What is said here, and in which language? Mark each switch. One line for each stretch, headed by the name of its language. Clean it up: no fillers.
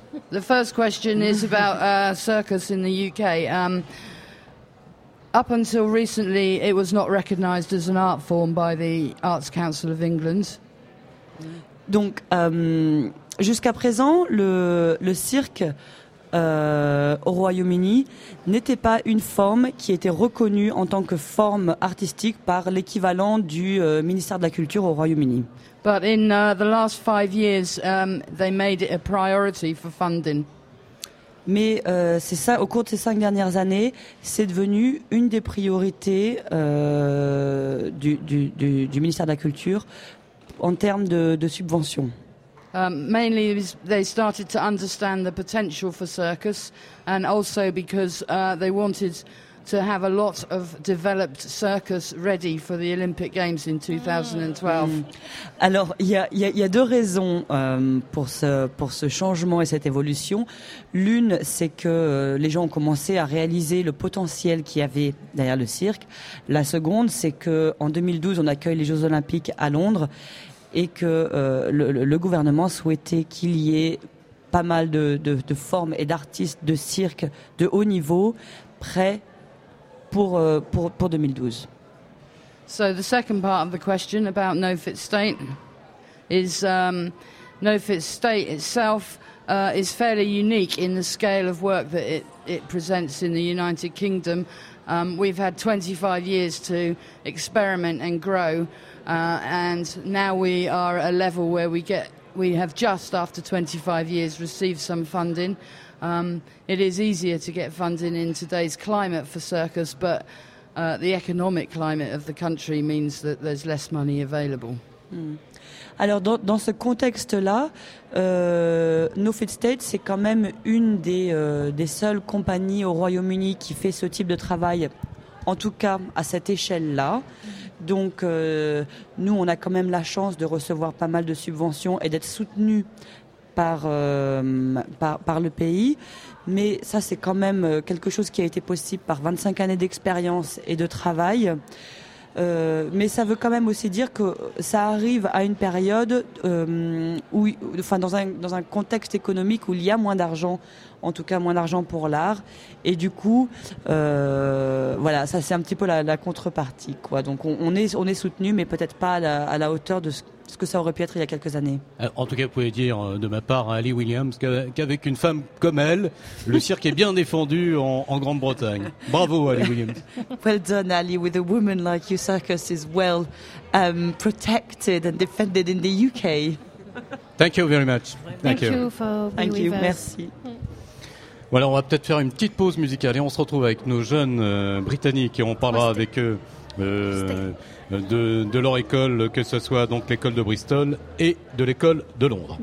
English: The first question is about circus in the UK. Up until recently, it was not recognised as an art form by the Arts Council of England.
French: Donc, jusqu'à présent, le cirque au Royaume-Uni n'était pas une forme qui était reconnue en tant que forme artistique par l'équivalent du ministère de la Culture au Royaume-Uni.
English: But in the last five years, they made it a priority for funding.
French: Mais c'est ça, au cours de ces cinq dernières années, c'est devenu une des priorités du ministère de la Culture en termes de subventions.
English: Mainly, they started to understand the potential for circus, and also because they wanted to have a lot of developed circus ready for the Olympic Games in 2012.
French: Alors, il y a deux raisons pour ce changement et cette évolution. L'une, c'est que les gens ont commencé à réaliser le potentiel qu'il y avait derrière le cirque. La seconde, c'est que en 2012, on accueille les Jeux Olympiques à Londres. Et que le gouvernement souhaitait qu'il y ait pas mal de formes et d'artistes de cirque de haut niveau prêts pour 2012.
English: So the second part of the question about No Fit State is No Fit State itself is fairly unique in the scale of work that it presents in the United Kingdom. We've had 25 years to experiment and grow. And now we are at a level where we have just after 25 years received some funding. It is easier to get funding in today's climate for circus, but the economic climate of the country means that there's less money available.
French: Alors dans ce contexte-là, No Fit State, c'est quand même une des seules compagnies au Royaume-Uni qui fait ce type de travail, en tout cas à cette échelle-là. Donc, nous, on a quand même la chance de recevoir pas mal de subventions et d'être soutenus par le pays. Mais ça, c'est quand même quelque chose qui a été possible par 25 années d'expérience et de travail. Mais ça veut quand même aussi dire que ça arrive à une période dans un contexte économique où il y a moins d'argent, en tout cas moins d'argent pour l'art. Et du coup, voilà, ça c'est un petit peu la contrepartie, quoi. Donc on est soutenu, mais peut-être pas à la hauteur de ce que ça aurait pu être il y a quelques années. En tout cas, vous pouvez dire de ma part à Ali Williams qu'avec une femme comme elle, le cirque est bien défendu en Grande-Bretagne. Bravo, Ali Williams.
English: Well done, Ali. With a woman like you, circus is well protected and defended in the UK. Thank you very much. Thank you.
French: Merci. Voilà, on va peut-être faire une petite pause musicale et on se retrouve avec nos jeunes britanniques et on parlera avec eux. De leur école, que ce soit donc l'école de Bristol et de l'école de Londres.